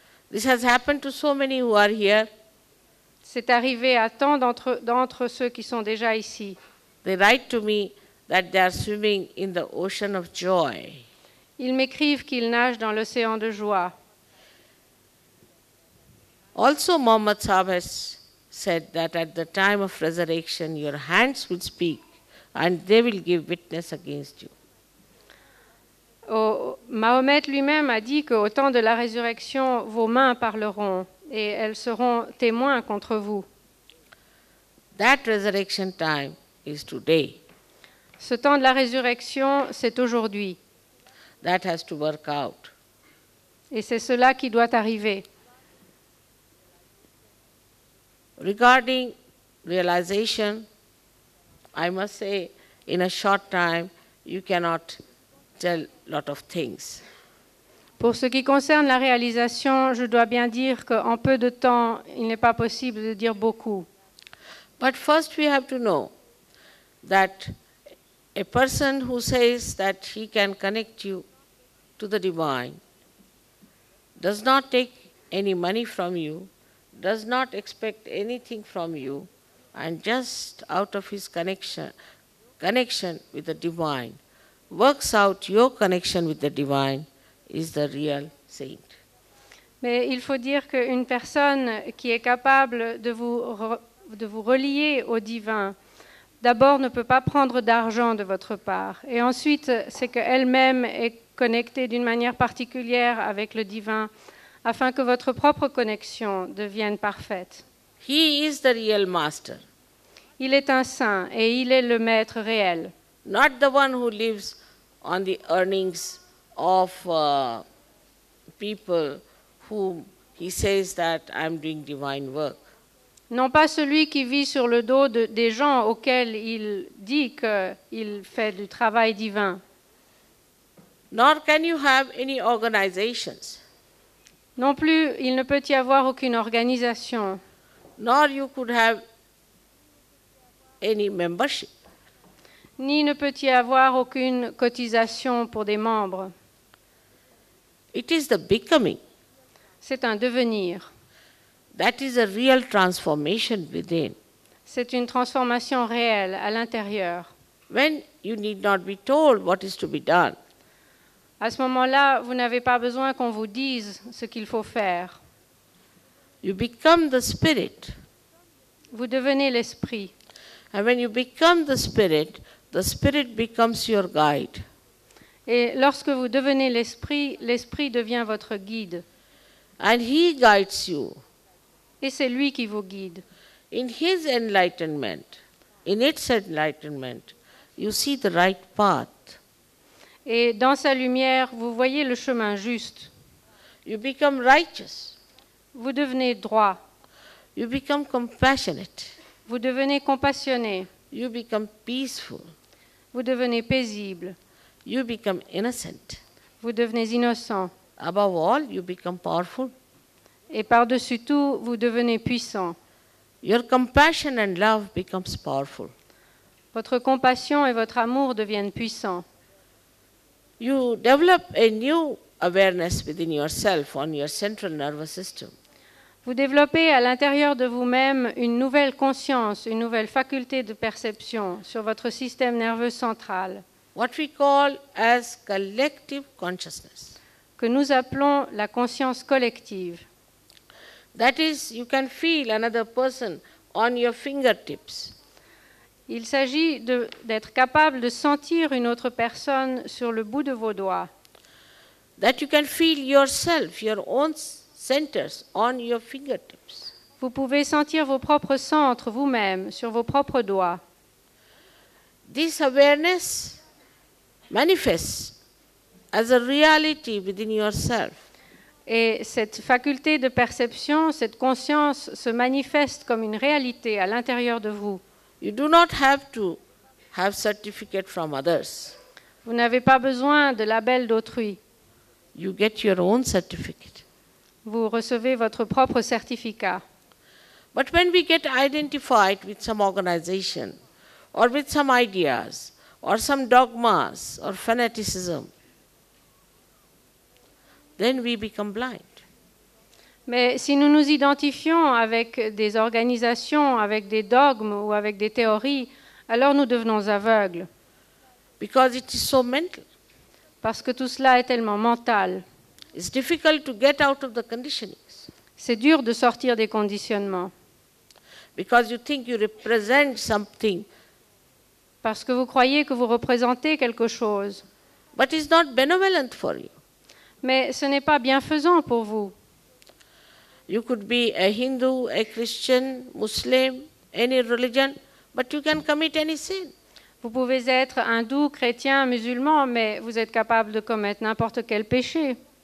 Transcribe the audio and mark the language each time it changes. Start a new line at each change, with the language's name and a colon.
English: This has happened to so many who are here.
French: C'est arrivé à tant d'entre ceux qui sont déjà ici.
English: They write to me that they are swimming in the ocean of joy.
French: Ils m'écrivent qu'ils nagent dans l'océan de joie.
English: Also, Mohammed Sahib has said that at the time of resurrection, your hands will speak and they will give witness against you.
French: Mahomet lui-même a dit qu'au temps de la résurrection, vos mains parleront et elles seront témoins contre vous.
English: That resurrection time is today.
French: Ce temps de la résurrection, c'est aujourd'hui.
English: That has to work out.
French: Et c'est cela qui doit arriver.
English: Regarding realization, I must say, in a short time, you cannot tell lot of things.
French: Pour ce qui concerne la réalisation, je dois bien dire qu'en peu de temps, il n'est pas possible de dire beaucoup.
English: But first we have to know that a person who says that he can connect you to the divine does not take any money from you, does not expect anything from you, and just out of his connection with the divine works out your connection with the divine is the real saint.
French: Mais il faut dire qu'une personne qui est capable de vous relier au divin d'abord ne peut pas prendre d'argent de votre part, et ensuite c'est qu'elle-même est connectée d'une manière particulière avec le divin afin que votre propre connexion devienne parfaite.
English: He is the real master.
French: Il est un saint et il est le maître réel.
English: Not the one who lives on the earnings of people whom he says that I'm doing divine work.
French: Non pas celui qui vit sur le dos des gens auxquels il dit qu'il fait du travail divin.
English: Nor can you have any organizations.
French: Non plus, il ne peut y avoir aucune organisation.
English: Nor you could have any membership.
French: Ni ne peut y avoir aucune cotisation pour des membres.
English: It is the becoming.
French: C'est un devenir.
English: That is a real transformation within.
French: C'est une transformation réelle à l'intérieur.
English: When you need not be told what is to be done.
French: À ce moment-là, vous n'avez pas besoin qu'on vous dise ce qu'il faut faire.
English: You become the spirit.
French: Vous devenez l'esprit.
English: And when you become the spirit becomes your guide.
French: Et lorsque vous devenez l'esprit, l'esprit devient votre guide.
English: And he guides you.
French: Et c'est lui qui vous guide.
English: In his enlightenment, in its enlightenment, you see the right path.
French: Et dans sa lumière, vous voyez le chemin juste.
English: You become righteous.
French: Vous devenez droit.
English: You become compassionate.
French: Vous devenez compassionné.
English: You become peaceful.
French: Vous devenez paisible.
English: You become innocent.
French: Vous devenez innocent.
English: Above all, you become powerful.
French: Et par-dessus tout, vous devenez puissant.
English: Your compassion and love becomes powerful.
French: Votre compassion et votre amour deviennent puissants.
English: You develop a new awareness within yourself on your central nervous system.
French: Vous développez à l'intérieur de vous-même une nouvelle conscience, une nouvelle faculté de perception sur votre système nerveux central.
English: What we call as collective consciousness.
French: Que nous appelons la conscience collective.
English: That is, you can feel another person on your fingertips.
French: Il s'agit d'être capable de sentir une autre personne sur le bout de vos doigts.
English: That you can feel yourself, your own centers on your fingertips.
French: Vous pouvez sentir vos propres centres vous-même sur vos propres doigts.
English: This awareness manifests as a reality within yourself.
French: Et cette faculté de perception, cette conscience se manifeste comme une réalité à l'intérieur de vous.
English: You do not have to have certificate from others.
French: Vous n'avez pas besoin de label d'autrui.
English: You get your own certificate.
French: Vous recevez votre propre certificat.
English: But when we get identified with some organization or with some ideas or some dogmas or fanaticism, then we become blind.
French: Mais si nous nous identifions avec des organisations, avec des dogmes ou avec des théories, alors nous devenons aveugles.
English: Because it is so mental.
French: Parce que tout cela est tellement mental.
English: It's difficult to get out of the conditionings.
French: C'est dur de sortir des conditionnements.
English: Because you think you represent something.
French: Parce que vous croyez que vous représentez quelque chose.
English: But it's not benevolent for you.
French: Mais ce n'est pas bienfaisant pour vous.
English: You could be a Hindu, a Christian, Muslim, any religion, but you can commit any sin.
French: Vous pouvez être hindou, chrétien, musulman, mais vous êtes capable de commettre n'importe quel péché.